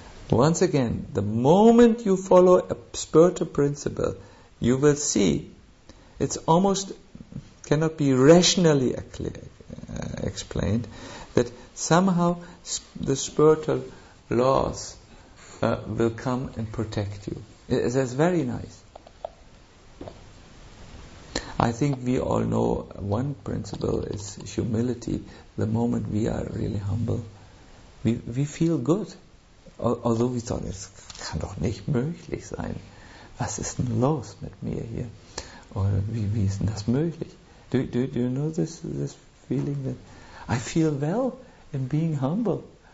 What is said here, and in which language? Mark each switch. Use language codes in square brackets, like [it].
[en] Once again, the moment you follow a spiritual principle, you will see it's almost cannot be rationally explained that somehow the spiritual laws will come and protect you. That's very nice. I think we all know one principle is humility. The moment we are really humble, we feel good. Although we thought, [de] es kann doch nicht möglich sein. Was ist denn los mit mir hier? [en] Or, [de] wie ist denn das möglich? [en] Do you know this feeling that I feel well in being humble?